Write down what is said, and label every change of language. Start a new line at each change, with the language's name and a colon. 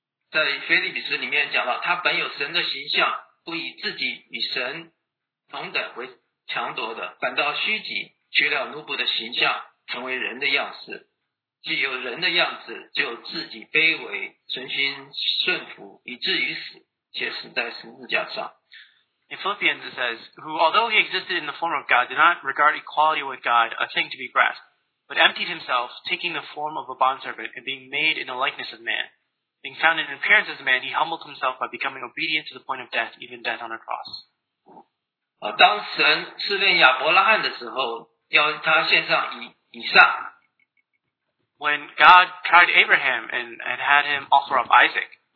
Chinese: 在腓立比书里面讲到，他本有神的形象，不以自己与神同等为强夺的，反倒虚己。取了奴仆的形象，成为人的样式，既有人的样式，就自己卑微，存心顺服，以至于死，且死在十字架上。
English: In Philippians it says, who although he existed in the form of God, did not regard equality with God a thing to be grasped, but emptied himself, taking the form of a bondservant, and being made in the likeness of man. Being found in appearance as a man, he humbled himself by becoming obedient to the point of death, even death on a cross.
Chinese: 当神试炼亚伯拉罕的时候， 要他献上以撒。
English: When God tried Abraham and had him offer up Isaac,